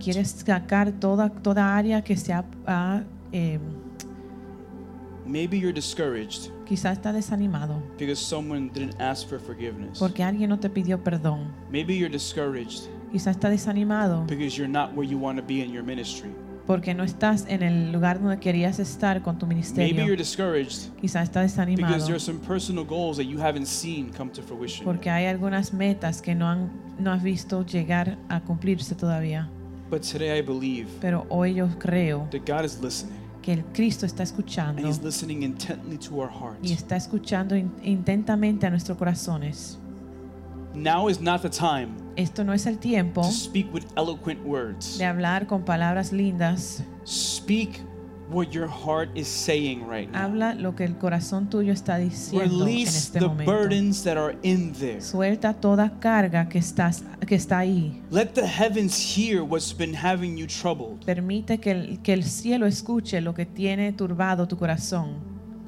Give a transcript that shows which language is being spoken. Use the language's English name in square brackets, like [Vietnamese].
[Spanish] Y quiere sacar toda área que se ha [English] Maybe you're discouraged. [Spanish] Quizás está desanimado. [English] Because someone didn't ask for forgiveness. [Spanish] Porque alguien no te pidió perdón. [English] Maybe you're discouraged. [Spanish] Quizás está desanimado. [English] Because you're not where you want to be in your ministry. [Spanish] Porque no estás en el lugar donde querías estar con tu ministerio. [English] Maybe you're discouraged. [Spanish] Quizás está desanimado. [English] Because there are some personal goals that you haven't seen come to fruition. [Spanish] Porque hay algunas metas que no has visto llegar a cumplirse todavía. [English] But today I believe. [Spanish] Pero hoy yo creo. [English] That God is listening. [Spanish] Que el Cristo está escuchando. [English] And he's listening intently to our hearts. [Spanish] Y está escuchando intentamente a nuestros corazones. [English] Now is not the time. [Spanish] Esto no es el tiempo. [English] To speak with eloquent words. [Spanish] De hablar con palabras lindas. [English] Speak what your heart is saying right now. [Spanish] Habla lo que el corazón tuyo está diciendo. [English] Release [Spanish] en este [English] the [Spanish] momento. [English] Burdens that are in there. [Spanish] Suelta toda carga que está ahí. [English] Let the heavens hear what's been having you troubled. [Spanish] Permite que el cielo escuche lo que tiene turbado tu corazón.